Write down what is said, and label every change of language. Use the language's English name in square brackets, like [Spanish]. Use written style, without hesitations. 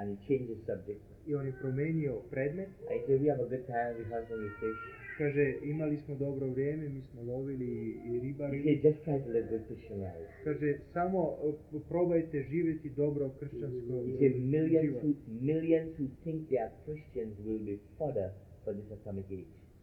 [English] And he changed the subject. [Croatian] I on je promijenio predmet. [English] I said, we have a good time, we have some fish. [Croatian] Kaže, imali smo dobro vrijeme, mi smo lovili i ribari. [English] He said, just try to live good Christian life. [Croatian] Kaže, samo probajte živjeti dobro kršćansko život. [English] He said, millions who think they are Christians will be fodder for this atomic age.